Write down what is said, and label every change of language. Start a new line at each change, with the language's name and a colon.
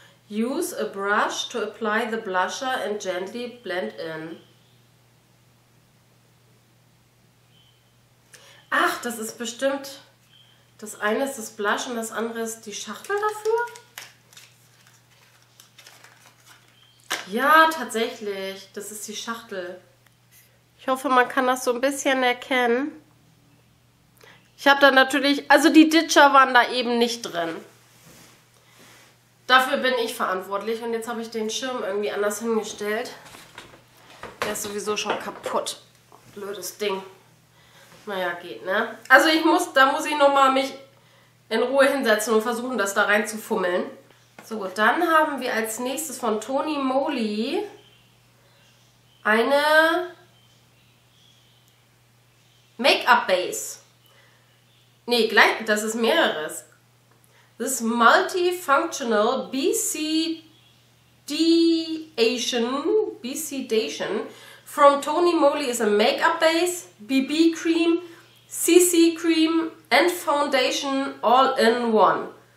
English: Use a brush to apply the blusher and gently blend in.
German: Ach, das ist bestimmt, das eine ist das Blush und das andere ist die Schachtel dafür. Ja, tatsächlich, das ist die Schachtel. Ich hoffe, man kann das so ein bisschen erkennen. Ich habe da natürlich, also die Ditcher waren da eben nicht drin. Dafür bin ich verantwortlich und jetzt habe ich den Schirm irgendwie anders hingestellt. Der ist sowieso schon kaputt. Blödes Ding. Naja, geht, ne? Also ich muss, da muss ich nochmal mich in Ruhe hinsetzen und versuchen, das da reinzufummeln. So, dann haben wir als nächstes von Tony Moly eine Make-up Base. Ne, gleich, das ist mehreres.
English: This Multifunctional BCDation from Tony Moly is a Make-up Base, BB Cream, CC Cream and Foundation all in one.